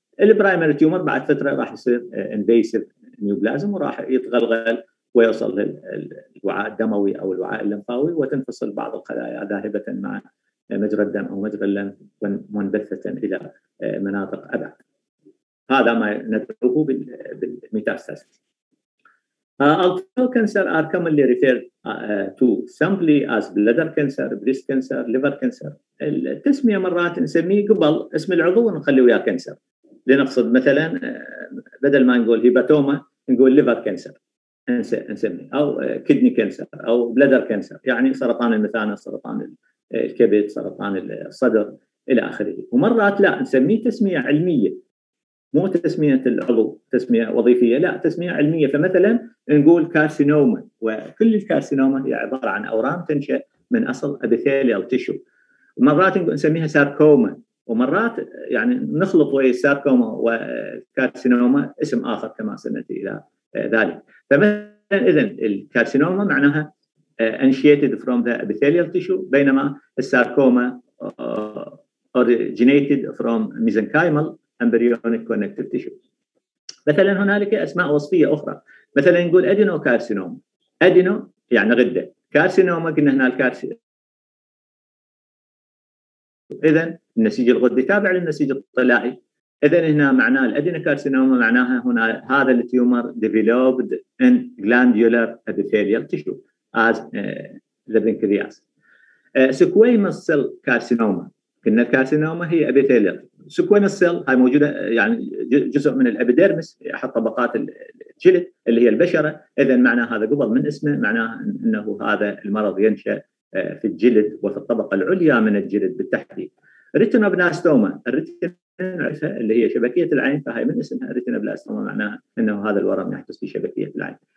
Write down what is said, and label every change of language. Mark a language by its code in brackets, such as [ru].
[en] البرايمري تيومر [ar] بعد فترة راح يصير [en] invasive neoplasm [ar] وراح يتغلغل ويصل للوعاء الدموي أو الوعاء اللمفاوي، وتنفصل بعض الخلايا ذاهبة مع مجرى الدم أو مجرى اللمف منبثة إلى مناطق أبعد. هذا ما ندعوه بالميتاستاسيس. [en] Although cancer are commonly referred to simply as bladder cancer, breast cancer, liver cancer. [ar] التسمية مرات نسميه قبل اسم العضو ونخليه يا كانسر، لنقصد مثلا بدل ما نقول هيباتوما نقول [en] ليفر كانسر [ar] نسمي، أو [en] kidney cancer [ar] أو [en] bladder cancer, [ar] يعني سرطان المثانة، سرطان الكبد، سرطان الصدر، إلى آخره. ومرات لا، نسميه تسمية علمية، مو تسمية العضو تسمية وظيفية، لا تسمية علمية. فمثلا نقول كارسينوما، وكل الكارسينوما هي عبارة عن أورام تنشأ من أصل أبيثيليال تيشو. مرات نسميها ساركوما، ومرات يعني نخلط ويا ساركوما وكارسينوما اسم آخر كما سنت إلى ذلك. فمثلا إذن الكارسينوما معناها [en] initiated from the epithelial tissue، [ar] بينما الساركوما [en] originated from mesenchymal embryonic connective tissue. [ar] مثلا هنالك أسماء وصفية أخرى، مثلا نقول أدينو كارسينوما، أدينو يعني غدة، كارسينوما قلنا هنا الكارسينوما، إذن النسيج الغدي تابع للنسيج الطلائي. إذن هنا معناه الأدينو كارسينوما معناها هنا هذا التيومر [en] developed in glandular epithelial tissue as the pancreas. Squamous cell carcinoma، [ar] كنا الكارسينوما هي [en] epithelial. [ar] Squamous cell هاي موجودة يعني جزء من الأبيديرمس، أحد طبقات الجلد اللي هي البشرة. إذن معنى هذا قبل من اسمه معناه أنه هذا المرض ينشأ في الجلد وفي الطبقة العليا من الجلد بالتحديد. Retinoblastoma، اللي هي شبكية العين، فهي من اسمها Retinoblastoma معناها أنه هذا الورم يحدث في شبكية العين.